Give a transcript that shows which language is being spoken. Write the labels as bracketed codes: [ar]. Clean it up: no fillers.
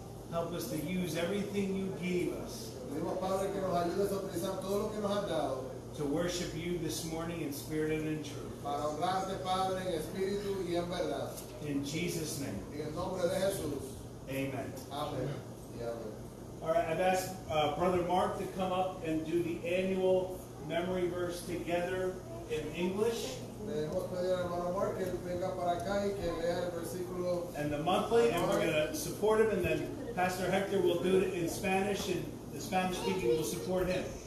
[en] Help us to use everything you gave us. [es] Pedimos, Padre, que nos ayudes a utilizar todo lo que nos has dado. [en] To worship you this morning in spirit and in truth. [es] Para honrarte, Padre, en espíritu y en verdad. [en] In Jesus' name. [es] En el nombre de Jesús. [en] Amen. [es] Amen. [en] All right, I've asked Brother Mark to come up and do the annual memory verse together in English. And the monthly, and we're going to support him, and then Pastor Hector will do it in Spanish, and the Spanish speaking will support him.